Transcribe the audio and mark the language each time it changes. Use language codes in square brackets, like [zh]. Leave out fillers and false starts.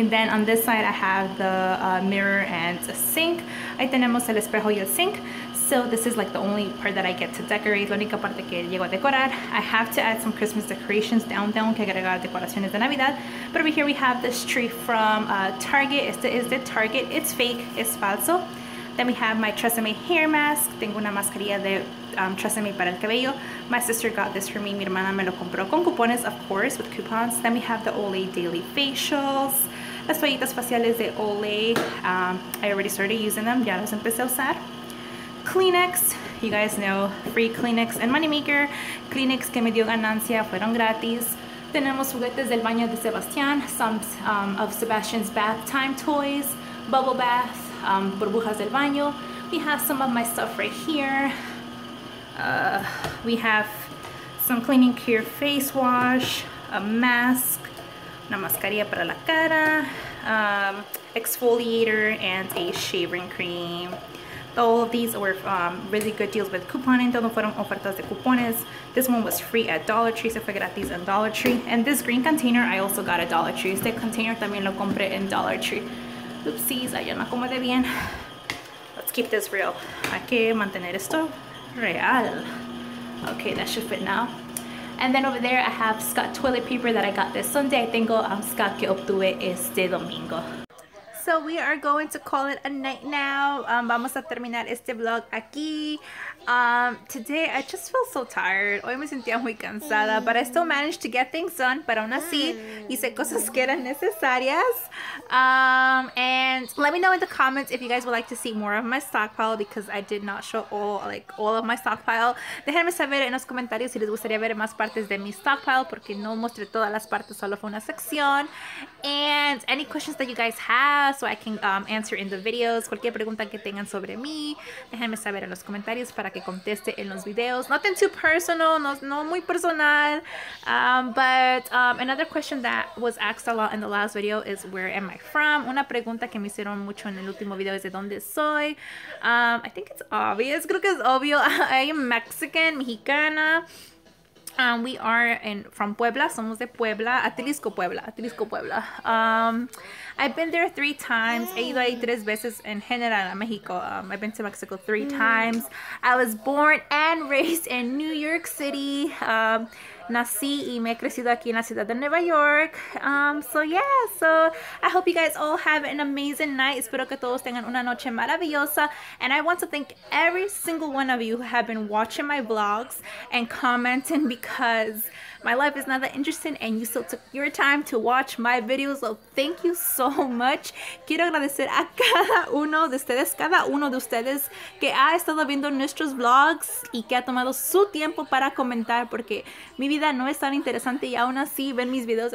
[en] And then on this side I have the mirror and a sink. [es] Ahí tenemos el espejo y el sink. [en] So this is like the only part that I get to decorate. [es] La única parte que llego a decorar. [en] I have to add some Christmas decorations down. [es] Que agregar decoraciones de Navidad. [en] But over here we have this tree from Target. [es] Este es de Target. [en] It's fake. [es] Es falso. [en] Then we have my Tresemme hair mask. [es] Tengo una mascarilla de Tresemme para el cabello. [en] My sister got this for me. [es] Mi hermana me lo compró con cupones, [en] of course, with coupons. Then we have the Olay Daily Facials. [es] Las toallitas faciales de Olay. [en] I already started using them. [es] Ya los empecé a usar. [en] Kleenex, you guys know, free Kleenex and moneymaker. [es] Kleenex que me dio ganancia, fueron gratis. Tenemos juguetes del baño de Sebastián, [en] some of Sebastian's bath time toys, bubble bath, [es] burbujas del baño. [en] We have some of my stuff right here. We have some cleaning care face wash, a mask, [es] una mascarilla para la cara, [en] exfoliator, and a shaving cream. All of these were really good deals with couponing. [es] Todo fueron ofertas de cupones. [en] This one was free at Dollar Tree. [es] Se fue gratis en Dollar Tree. [en] And this green container, I also got at Dollar Tree. [es] Este container también lo compré en Dollar Tree. Oopsies, allá no acomodé bien. [en] Let's keep this real. [es] Hay que mantener esto real. [en] Okay, that should fit now. And then over there, I have Scott toilet paper that I got this Sunday. I [es] tengo Scott que obtuve este domingo. [en] So we are going to call it a night now. [es] Vamos a terminar este vlog aquí. [en] Today I just feel so tired. [es] Hoy me sentía muy cansada, [en] but I still managed to get things done. [es] Pero aún así, hice cosas que eran necesarias. [en] And let me know in the comments if you guys would like to see more of my stockpile, because I did not show all of my stockpile. [es] Déjenme saber en los comentarios si les gustaría ver más partes de mi stockpile, porque no mostré todas las partes, solo fue una sección. [en] And any questions that you guys have, so I can answer in the videos. [es] Cualquier pregunta que tengan sobre mí, déjenme saber en los comentarios para que conteste en los videos. [en] Nothing too personal, [es] no muy personal. [en] But another question that was asked a lot in the last video is, where am I from? [es] Una pregunta que me hicieron mucho en el último video es, ¿de dónde soy? [en] I think it's obvious. [es] Creo que es obvio. [en] I am Mexican, mexicana. We are from Puebla. [es] Somos de Puebla. [en] Atlixco, Puebla. I've been there 3 times. [es] He ido ahí 3 veces en general a México. [en] I've been to Mexico 3 times. I was born and raised in New York City. [es] Nací y me he crecido aquí en la ciudad de Nueva York. [en] So I hope you guys all have an amazing night. [es] Espero que todos tengan una noche maravillosa. [en] And I want to thank every single one of you who have been watching my vlogs and commenting, because my life is not that interesting and you still took your time to watch my videos. So thank you so much. [es] Quiero agradecer a cada uno de ustedes que ha estado viendo nuestros vlogs y que ha tomado su tiempo para comentar, porque mi vida no es tan interesante y aún así ven mis videos.